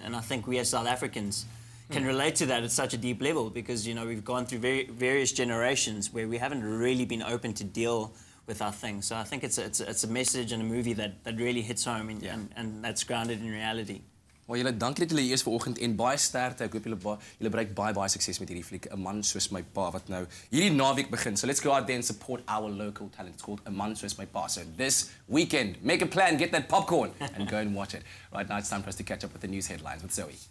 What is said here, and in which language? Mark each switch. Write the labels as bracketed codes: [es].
[en] And I think we as South Africans can relate to that at such a deep level because, you know, we've gone through various generations where we haven't really been open to deal with our things. So I think it's a message and a movie that really hits home and that's grounded in reality. [af] Well, julle, dankie dat julle hier is vanoggend en baie sterkte. Ek hoop julle bereik baie sukses met hierdie fliek, 'n man soos my pa wat nou hierdie naweek begin. [en] So let's go out there and support our local talent. It's called A Man Soos My Pa. So this weekend, make a plan, get that popcorn and go and watch it. Right now it's time for us to catch up with the news headlines with Zoe.